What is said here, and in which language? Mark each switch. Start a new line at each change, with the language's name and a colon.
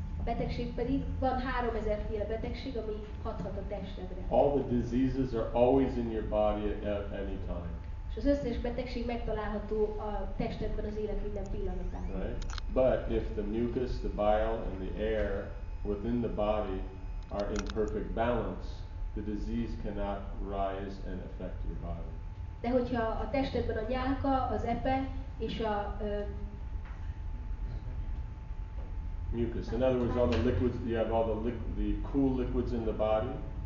Hungarian: Betegség pedig, van 3000 féle betegség, ami hathat a testedre.
English: All the diseases are always in your body at any time.
Hungarian: Az összes betegség megtalálható a testedben az élet minden pillanatában.
English: Right. But if the mucus, the bile and the air within the body are in perfect balance, the disease cannot rise and affect your body.
Hungarian: De hogyha a testedben a nyálka, az epe és a
English: mucus. In other words, all the liquids, you have all the cool liquids in the body.